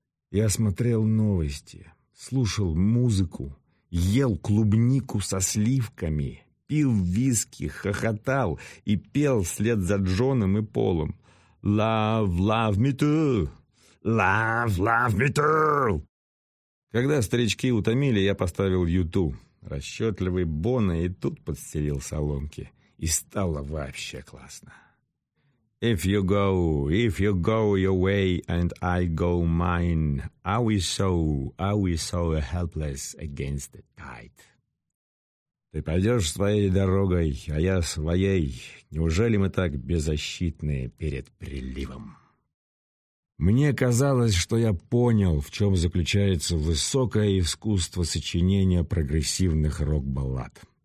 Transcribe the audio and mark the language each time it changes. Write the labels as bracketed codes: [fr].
[ru] Я смотрел новости, слушал музыку, ел клубнику со сливками, пил виски, хохотал и пел вслед за Джоном и Полом. [en] «Love, love me too! Love, love me too!» [ru] Когда старички утомили, я поставил Юту, расчетливый Бона, и тут подстелил соломки. И стало вообще классно. [en] If you go your way and I go mine, are we so helpless against the tide? [ru] Ты пойдешь своей дорогой, а я своей. Неужели мы так беззащитны перед приливом? Мне казалось, что я понял, в чем заключается высокое искусство сочинения прогрессивных рок-баллад.